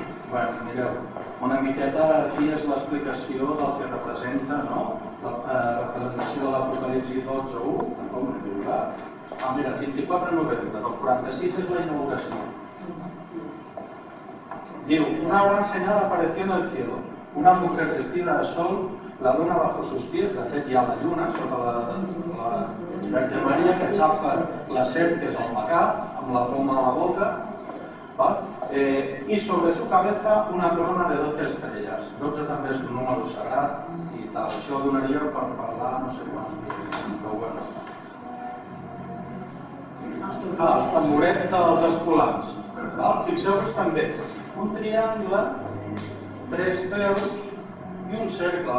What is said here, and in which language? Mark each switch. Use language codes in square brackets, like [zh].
[ca] Bé, mireu, una miqueta aquí és l'explicació del que representa, no? La representació de l'Apocalipsi 12.1, tampoc no hi haurà. Ah, mira, 24 de novembre del 46 és la inauguració. Diu, [es] una gran senyal apareció en el cielo. Una mujer vestida de sol, la luna bajo sus pies, [ca] de fet hi ha la lluna sota la Verge Maria, que xafa la serp, que és el macà, amb la poma a la boca, va? [es] I sobre su cabeza una corona de 12 estrelles. [ca] 12 també és un número sagrat i tal. Això donaria per parlar no sé quan, però bueno. Va, els tamborets dels escolars. Fixeu-vos també, un triangle, tres peus i un cercle.